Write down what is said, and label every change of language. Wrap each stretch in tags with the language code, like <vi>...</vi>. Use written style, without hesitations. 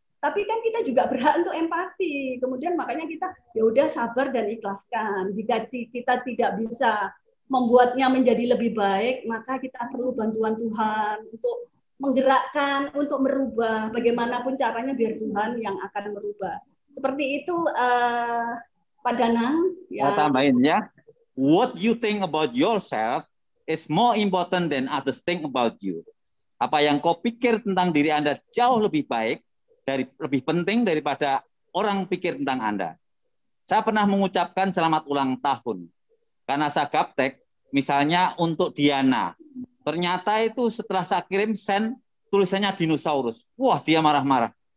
<id>Tapi kan kita juga berhak untuk empati. Kemudian makanya kita ya udah sabar dan ikhlaskan. Jika kita tidak bisa membuatnya menjadi lebih baik, maka kita perlu bantuan Tuhan untuk menggerakkan, untuk merubah. Bagaimanapun caranya biar Tuhan yang akan merubah. Seperti itu Pak Danang. Ya. Saya tambahin ya.</id> <en>What you think about yourself is more important than others think about you.</en> <id>Apa yang kau pikir tentang diri Anda jauh lebih baik, dari lebih penting daripada orang pikir tentang Anda. Saya pernah mengucapkan selamat ulang tahun karena saya gaptek, misalnya untuk Diana. Ternyata itu setelah saya kirim send, tulisannya dinosaurus. Wah, dia marah-marah.</id>